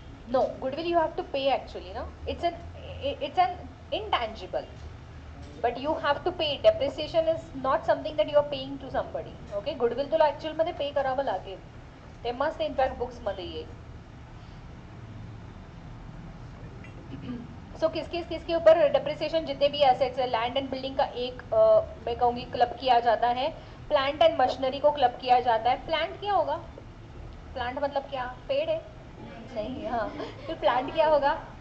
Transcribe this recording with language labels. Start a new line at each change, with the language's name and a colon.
English: No, goodwill you have to pay actually ना, it's an intangible, but you have to pay. Depreciation is not something that you are paying to somebody.
Marathi: Okay, goodwill तुला actual मध्ये पे करावं लागेल, ते must in fact books मध्ये येईल.
Hindi: सो किसके ऊपर डेप्रिसिएशन, जितने भी एसेट्स है, लैंड एंड बिल्डिंग का एक मैं कहूंगी क्लब किया जाता है, प्लांट एंड मशीनरी को क्लब किया जाता है. प्लांट क्या होगा? प्लांट मतलब क्या, पेड़ है? नहीं, हाँ, फिर प्लांट क्या होगा?